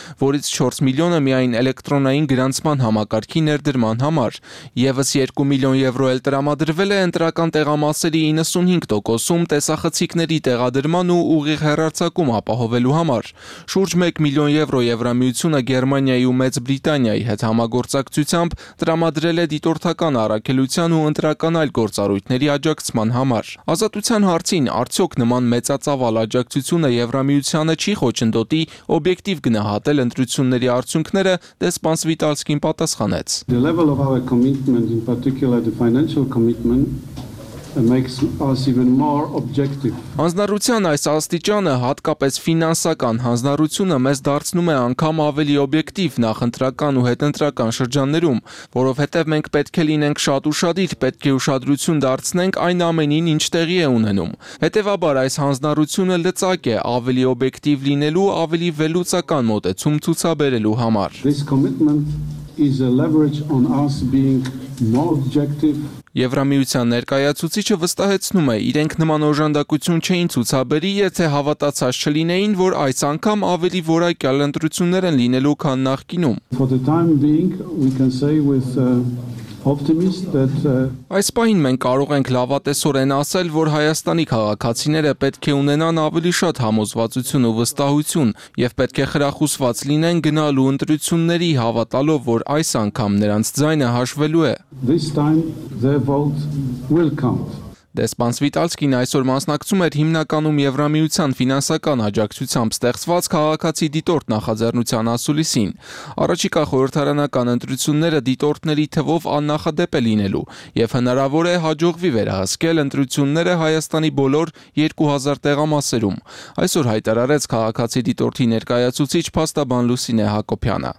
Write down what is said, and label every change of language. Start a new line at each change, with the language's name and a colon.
Armenian: որից 4 միլիոնը միայն էլեկտրոնային գրանցման համակարգի ներդրման համար, եւս 2 միլիոն եվրո էլ տրամադրվել է ընտրական տեղամասերի 95%-ում տեսախցիկների տեղադրման ու ուղիղ հեռարձակում ապահովելու համար։ Շուրջ 1 միլիոն եվրո Եվրամիությունը Գերմանիայի ու Մեծ Բրիտանիայի հետ համագործակցությամբ տրամադրել է դիտորդական առաքելության ու ընտրական այլ գործառույթներ։ առույթների աջակցման համար։ Ազատության հարցին արդյոք նման մեծածավալ աջակցությունը Եվրամիությանը չի խոչընդոտի օբյեկտիվ գնահատել ընտրությունների արդյունքները, դեսպան Սվիտալսկին պատասխանեց.
English: The level of our commitment, in particular the financial commitment, makes us even more objective.
Armenian: Հանձնառության այս աստիճանը, հատկապես ֆինանսական հանձնառությունը, մեզ դարձնում է անգամ ավելի օբյեկտիվ նախընտրական ու հետընտրական շրջաններում, որովհետև մենք պետք է լինենք շատ ուրախadir, պետք է ուշադրություն դարձնենք այն ամենին, ինչ տեղի է ունենում։ Հետևաբար այս հանձնառությունը լծակ է ավելի օբյեկտիվ լինելու, ավելի վերլուծական մոտեցում ցուցաբերելու համար։
English: This commitment is a leverage on us being more objective.
Armenian: Եվրամիության ներկայացուցիչը վստահեցնում է, իրենք նման օժանդակություն չէին ցուցաբերի, եթե հավատացած չլինեին, որ այս անգամ ավելի որակյալ ընտրություններ են լինելու, քան նախկինում։ Այս պահին մենք կարող ենք լավատեսորեն ասել, որ Հայաստանի քաղաքացիները պետք է ունենան ավելի շատ համոզվածություն ու վստահություն, և պետք է խրախուսված լինեն գնալու ընտրությունների, հավատալով, որ այս անգամ նրանց ձայնը հաշվելու է։
English: This time their vote will count.
Armenian: Դեսպան Սվիտալսկին այսօր մասնակցում էր հիմնականում Եվրամիության ֆինանսական աջակցությամբ ստեղծված քաղաքացի դիտորդ նախաձեռնության ասուլիսին։ Առաջիկա խորհրդարանական ընտրությունները դիտորդների թվով աննախադեպ է լինելու, և հնարավոր է հաջողվի վերահսկել ընտրությունները Հայաստանի բոլոր 2000 տեղամասերում, այսօր հայտարարեց քաղաքացի դիտորդի ներկայացուցիչ փաստաբան Լուսինե Հակոբյանը։